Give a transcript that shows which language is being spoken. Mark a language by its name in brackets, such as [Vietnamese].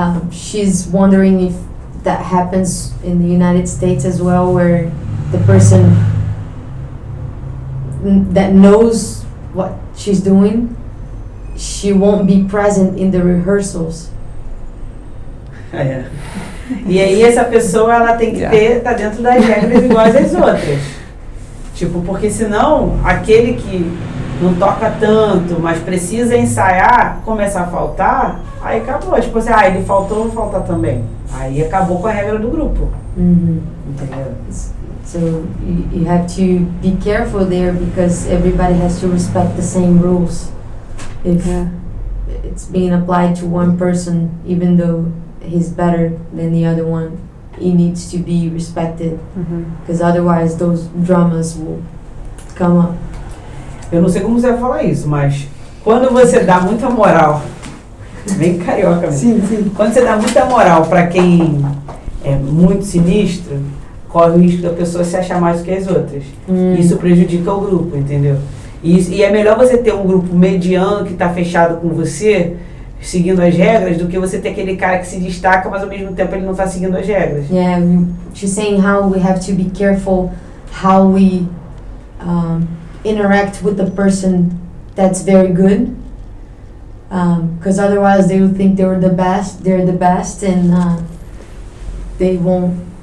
[English] She's wondering if that happens in the United States as well, where the person that knows what she's doing, she won't be present in the rehearsals. [Portuguese] E aí essa pessoa, ela tem que ter, tá dentro das regras iguais às outras. Tipo, porque senão, aquele que não toca tanto, mas precisa ensaiar, começa a faltar, aí acabou. Tipo assim, ah, ele faltou, vou faltar também. Aí acabou com a regra do grupo. Uhum. Entendeu? [English] So, you have to be careful there, because everybody has to respect the same rules. If it's being applied to one person, even though he's better than the other one, he needs to be respected, because otherwise those dramas will come up. [Portuguese] Eu não sei como você vai falar isso, mas quando você dá muita moral, bem carioca mesmo, sim, sim. quando você dá muita moral para quem é muito sinistro, corre o risco da pessoa se achar mais do que as outras. Isso prejudica o grupo, entendeu? E é melhor você ter um grupo mediano que está fechado com você, seguindo as regras, do que você ter aquele cara que se destaca, mas ao mesmo tempo ele não está seguindo as regras. [English] Yeah, she's saying how we have to be careful how we interact with the person that's very good, because otherwise they will think they're the best, and they won't.